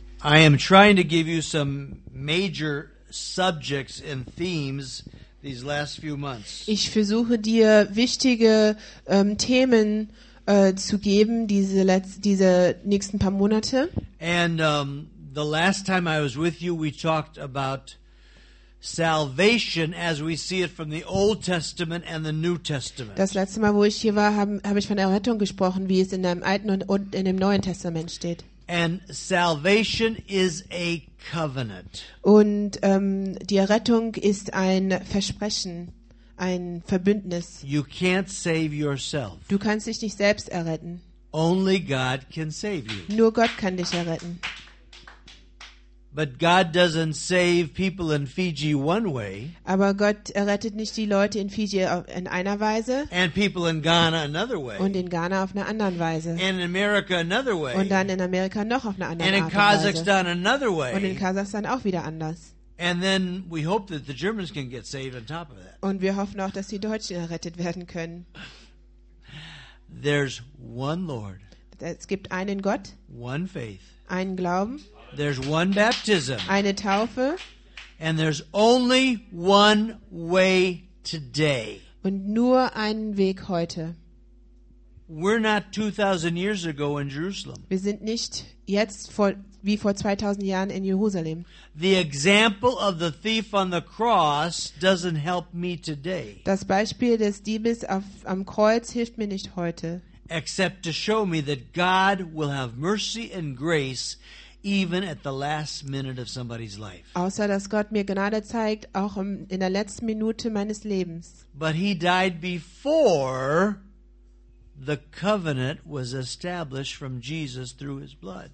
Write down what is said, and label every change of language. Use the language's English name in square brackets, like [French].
[English] I am trying to give you some major subjects and themes these last few months. [German] Ich versuche dir wichtige Themen zu geben diese nächsten paar Monate. [English] And the last time I was with you, we talked about salvation as we see it from the Old Testament and the New Testament. [German] Das letzte Mal, wo ich hier war, habe ich von Errettung gesprochen, wie es in dem Alten und in dem Neuen Testament steht. [English] And salvation is a covenant. [German] Und die Errettung ist ein Versprechen, ein Verbündnis. [English] You can't save yourself. [German] Du kannst dich nicht selbst erretten. [English] Only God can save you. [German] Nur Gott kann dich erretten. [English] But God doesn't save people in Fiji one way. [German] Aber Gott errettet nicht die Leute in Fiji in einer Weise. [English] And people in Ghana another way. [German] Und in Ghana auf einer anderen Weise. [English] And in America another way. [German] Und dann in Amerika noch auf einer anderen [English] Weise. And in Kazakhstan another way. [German] Und in Kasachstan auch wieder anders. [English] And then we hope that the Germans can get saved on top of that. [German] Und wir hoffen auch, dass die Deutschen errettet werden können. [English] There's one Lord. [German] Es gibt einen Gott. [English] One faith. [German] Einen Glauben. [English] There's one baptism. [German] Eine Taufe. [English] And there's only one way today. [German] Und nur einen Weg heute. [English] We're not 2000 years ago in Jerusalem. [German] Wir sind nicht jetzt wie vor 2000 Jahren in Jerusalem. [English] The example of the thief on the cross doesn't help me today. [German] Das Beispiel des Diebes am Kreuz hilft mir nicht heute. [English] Except to show me that God will have mercy and grace even at the last minute of somebody's life. [German] Außer dass Gott mir Gnade zeigt auch in der letzten Minute meines Lebens. [English] But he died before the covenant was established from Jesus through his blood.